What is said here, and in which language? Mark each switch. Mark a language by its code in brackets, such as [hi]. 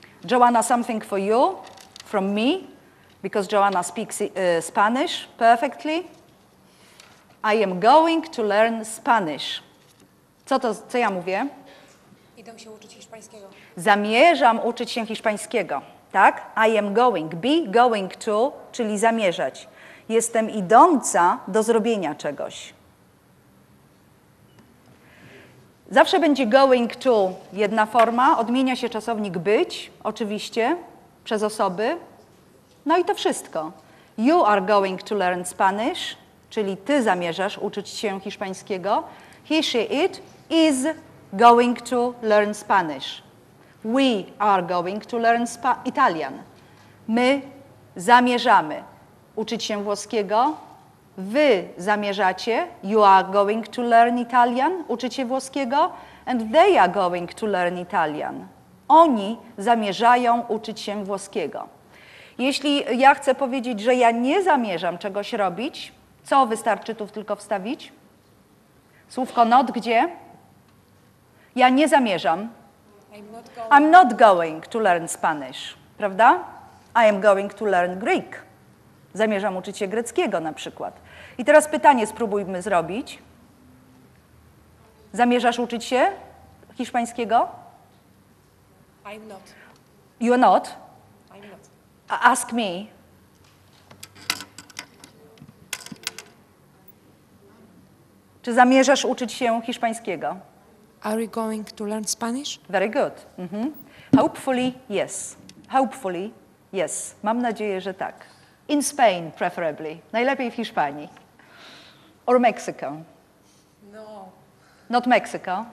[en] Joanna, something for you, from me, because Joanna speaks Spanish perfectly. I am going to learn Spanish. [pl] Co ja mówię? Idę się uczyć hiszpańskiego. Zamierzam uczyć się hiszpańskiego, tak? [en] I am going, be going to, [pl] czyli zamierzać. Jestem idąca do zrobienia czegoś. Zawsze będzie going to jedna forma. Odmienia się czasownik być, oczywiście, przez osoby. No i to wszystko. [en] You are going to learn Spanish, [pl] czyli ty zamierzasz uczyć się hiszpańskiego. [en] He, she, it is going to learn Spanish. We are going to learn Italian. [pl] My zamierzamy uczyć się włoskiego. Wy zamierzacie, [en] you are going to learn Italian, [pl] uczycie włoskiego, [en] and they are going to learn Italian. [pl] Oni zamierzają uczyć się włoskiego. Jeśli ja chcę powiedzieć, że ja nie zamierzam czegoś robić, co wystarczy tu tylko wstawić? Słówko not gdzie? Ja nie zamierzam. [en] I'm not going to learn Spanish, [pl] prawda? [en] I am going to learn Greek. [pl] Zamierzam uczyć się greckiego na przykład. I teraz pytanie spróbujmy zrobić. Zamierzasz uczyć się hiszpańskiego? [en] I'm not. You're not? I'm not. Ask me. [pl] Czy zamierzasz uczyć się hiszpańskiego? [en] Are you going to learn Spanish? Very good. Mm-hmm. Hopefully, yes. Hopefully, yes. [pl] Mam nadzieję, że tak. [en] In Spain, preferably. [pl] Najlepiej w Hiszpanii. [en] Or Mexico? No. Not Mexico?